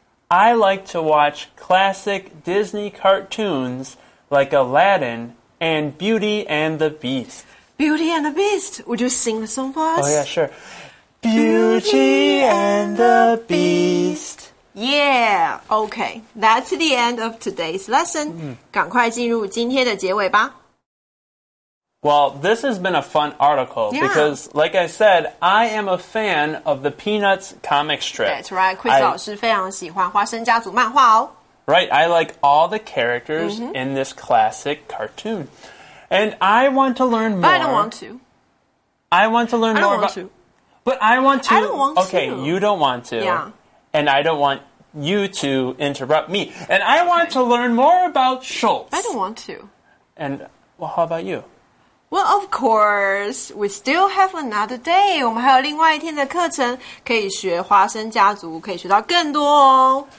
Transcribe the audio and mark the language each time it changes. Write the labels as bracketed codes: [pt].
[en] I like to watch classic Disney cartoons like Aladdin and Beauty and the Beast. Beauty and the Beast, would you sing the song for us? Oh yeah, sure. Beauty and the Beast. Yeah, okay. That's the end of today's lesson. [zh] 赶快进入今天的结尾吧。 [en] Well, this has been a fun article, yeah. Because, like I said, I am a fan of the Peanuts comic strip. That's right, [zh] Chris 老师非常喜欢花生家族漫画哦。 [en] Right, I like all the characters in this classic cartoon. And I want to learn more. But I don't want to. I want to learn more about... I don't want to. But I want to. I don't want to. Okay, you don't want to. Yeah. And I don't want you to interrupt me. And I want to learn more about Schultz. I don't want to. And, well, how about you? Well, of course, we still have another day. [zh] 我们还有另外一天的课程可以学花生家族，可以学到更多哦。